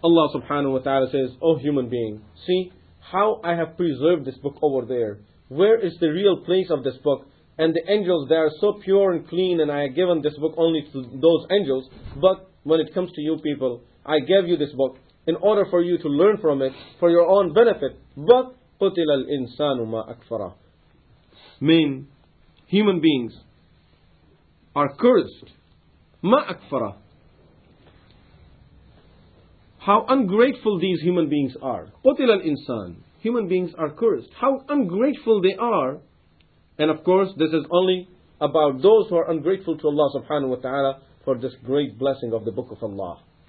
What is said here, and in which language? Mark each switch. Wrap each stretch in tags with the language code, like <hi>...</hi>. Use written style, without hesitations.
<en>Allah subhanahu wa ta'ala says, O human being, see how I have preserved this book over there. Where is the real place of this book? And the angels, they are so pure and clean, and I have given this book only to those angels. But when it comes to you people, I gave you this book in order for you to learn from it for your own benefit. But</en> <ar>قُتِلَ الْإِنسَانُ مَا أَكْفَرَهُ.</ar> <en>Mean, human beings are cursed.</en> <ar>مَا أَكْفَرَهُ.</ar> <en>How ungrateful these human beings are.</en> <ar>قُتِلَ الْإِنسَانِ.</ar> <en>Human beings are cursed. How ungrateful they are. And of course, this is only about those who are ungrateful to Allah subhanahu wa ta'ala for this great blessing of the book of Allah.</en>